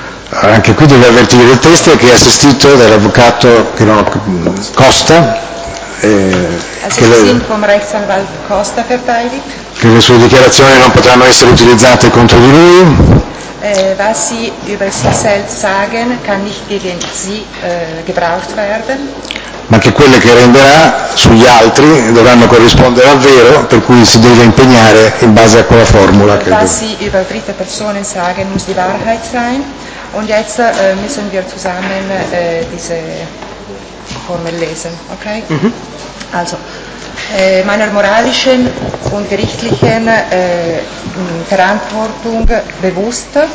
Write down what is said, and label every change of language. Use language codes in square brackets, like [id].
[it] Anche qui devi avvertire il test che è assistito dall'avvocato che non Costa. Che le sue dichiarazioni non potranno essere utilizzate contro di lui. [de] Was Sie über sich selbst sagen, kann nicht gegen Sie gebraucht werden. [it] Ma che quelle che renderà sugli altri dovranno corrispondere al vero, per cui si deve impegnare in base a quella formula. [de] Was Sie über dritte Personen sagen, muss die Wahrheit sein. Und jetzt müssen wir zusammen diese Formel lesen, okay? Mm-hmm. Also. Meiner moralischen und gerichtlichen Verantwortung bewusst.